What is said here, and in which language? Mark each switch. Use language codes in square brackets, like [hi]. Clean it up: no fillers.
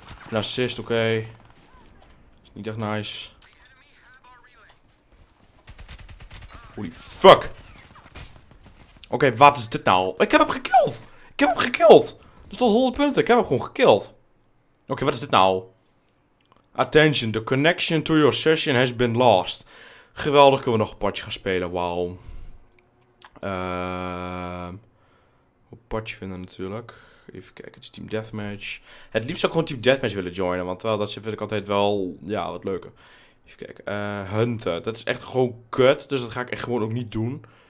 [nl] Een assist, oké. Is niet echt nice. [en] Holy fuck. [nl] Oké, wat is dit nou? Ik heb hem gekild. Er stond 100 punten. Ik heb hem gewoon gekild. Oké, wat is dit nou? [en] Attention, the connection to your session has been lost. [nl] Geweldig, kunnen we nog een potje gaan spelen, wauw. Een potje vinden natuurlijk. Even kijken, het is Team Deathmatch. Het liefst zou ik gewoon Team Deathmatch willen joinen, want dat vind ik altijd wel, ja, wat leuker. Even kijken, hunten, dat is echt gewoon kut, dus dat ga ik echt gewoon ook niet doen.